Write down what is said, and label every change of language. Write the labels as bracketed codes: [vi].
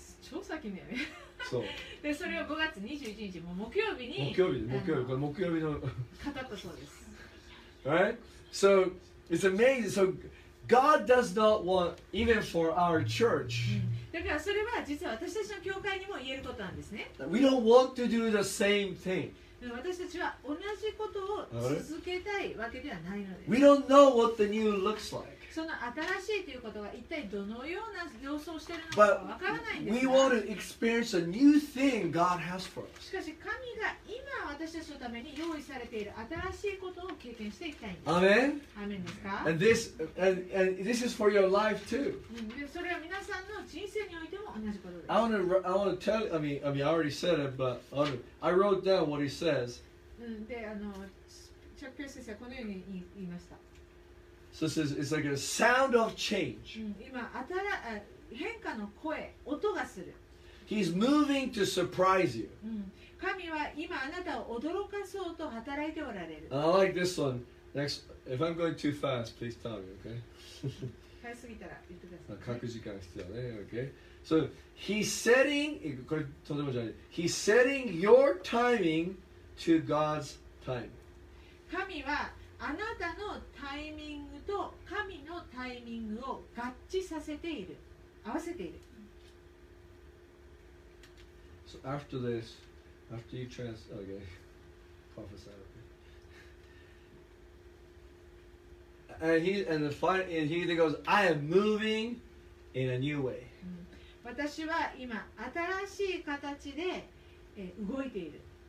[ja] 超先だよね。そう。でそれを5月21日も木曜日に、木曜日の語ったそうです。 [en] Right? So it's amazing. So God does not want even for our church. [ja] だからそれは実は私たちの教会にも言えることなんですね。 [en] We don't want to do the same thing. [ja] 私たちは同じことを続けたいわけではないのです。 [en] We don't know what the new looks like. [ja] その新しいということが一体どのような様相をしているのかわからないんですが、 [en] we want to experience a new thing God has for us. [ja] しかし神が今私たちのために用意されている新しいことを経験していきたいんです。 [en] Amen. [ja] Amen ですか? [en] And this is for your life too. [ja] それは皆さんの人生においても同じことです。 [en] I want to tell you, I already said it, but I wrote down what he says. [ja] で、あの、Chuck Pierce 先生はこのように言いました。 [en] So says it's like a sound of change. [ja] 今変化の声、音がする。 [en] He's moving to surprise you. [ja] 神は今あなたを驚かそうと働いておられる。 [en] I like this one. Next, if I'm going too fast, please tell me, okay? [ja] 早すぎたら言ってください。書く時間必要ね、 [en] okay? So he's setting, [ja] これとても重要です。 [en] He's setting your timing to God's timing. [ja] 神はあなたのタイミングと神のタイミングを合致させている、合わせている。 [en] So after this, after you trans, okay, prophesy. And he and the final, and he then goes, I am moving in a new way. [ja] 私は今新しい形で動いている。